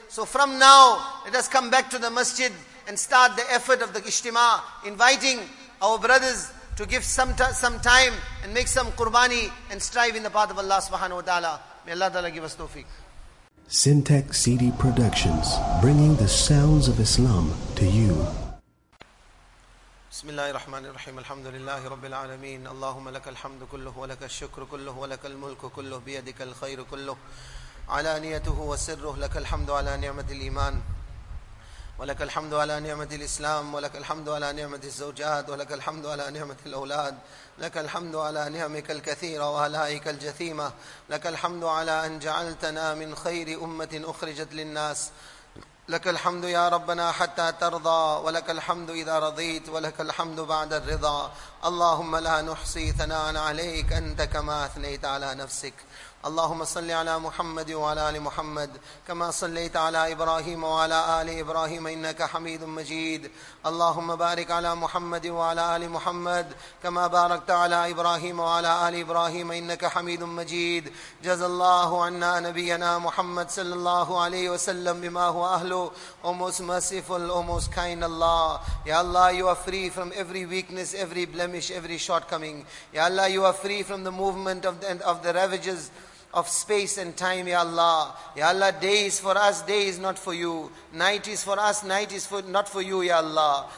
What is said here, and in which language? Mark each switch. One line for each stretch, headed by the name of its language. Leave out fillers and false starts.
English: So from now, let us come back to the masjid and start the effort of the ijtima, inviting our brothers to give some time and make some qurbani and strive in the path of Allah subhanahu wa ta'ala. May Allah ta'ala give us tawfiq. Syntech CD Productions, bringing the sounds of Islam to you.
Arabic: بسم الله الرحمن الرحيم الحمد لله رب العالمين اللهم لك الحمد كله ولك الشكر كله ولك الملك كله بيدك الخير كله علانيته وسره لك الحمد على نعمة الإيمان ولك الحمد على نعمة الإسلام ولك الحمد على نعمة الزوجات ولك الحمد على نعمة الأولاد لك الحمد على نعمك الكثيرة وآلائك الجثيمة لك الحمد على أن جعلتنا من خير أمة أخرجت للناس لك الحمد يا ربنا حتى ترضى ولك الحمد إذا رضيت ولك الحمد بعد الرضا اللهم لا نحصي ثناء عليك أنت كما أثنيت على نفسك اللهم صل على محمد وعلى آل محمد كما صليت على إبراهيم وعلى آل إبراهيم إنك حميد مجيد اللهم بارك على محمد وعلى آل محمد كما باركت على إبراهيم وعلى آل إبراهيم إنك حميد مجيد جزى الله عنا نبينا محمد صلى الله عليه وسلم بما هو أهله
English: almost merciful, almost kind Allah. Ya Allah, you are free from every weakness, every blemish, every shortcoming. Ya Allah, you are free from the movement of the ravages of space and time, Ya Allah. Ya Allah, day is for us, day is not for you. Night is for us, night is not for you, Ya Allah.